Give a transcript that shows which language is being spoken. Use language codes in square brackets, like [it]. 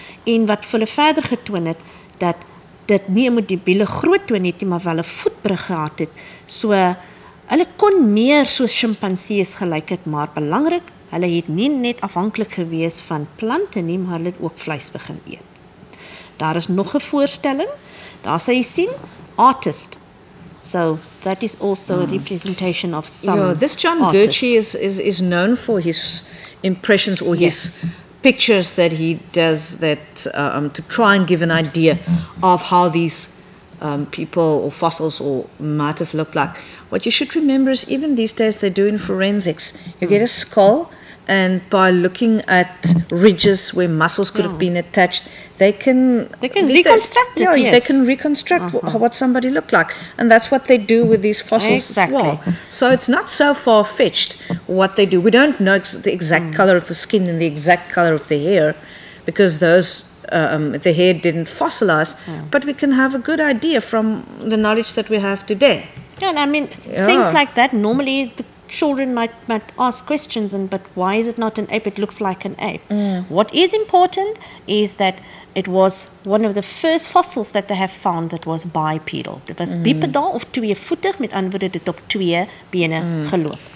[af] En wat hulle verder getoon het, dat dit nie 'n mobiele groot toon het nie, maar wel 'n voetbrug gehad het. So, hulle kon meer soos chimpansees gelyk het, maar belangrik, hulle het nie net afhanklik gewees van plante nie, maar hulle het ook vleis begin eet. Daar is nog 'n voorstelling, daar sal jy sien, artist. [en] So that is also a representation of some. Yeah, this John Gerchi is known for his impressions or his pictures that he does that to try and give an idea of how these people or fossils or might have looked like. What you should remember is even these days they're doing forensics. You get a skull and by looking at ridges where muscles could have been attached, they can reconstruct what somebody looked like. And that's what they do with these fossils exactly. as well. So it's not so far-fetched what they do. We don't know the exact color of the skin and the exact color of the hair, because those the hair didn't fossilize. Yeah. But we can have a good idea from the knowledge that we have today. Yeah, and I mean, things like that, normally the children might ask questions, and but why is it not an ape? It looks like an ape. Mm. What is important is that it was one of the first fossils that they have found that was bipedal. It was bipedal [af] of twee voetig, met andere woorde dit op twee bene geloop.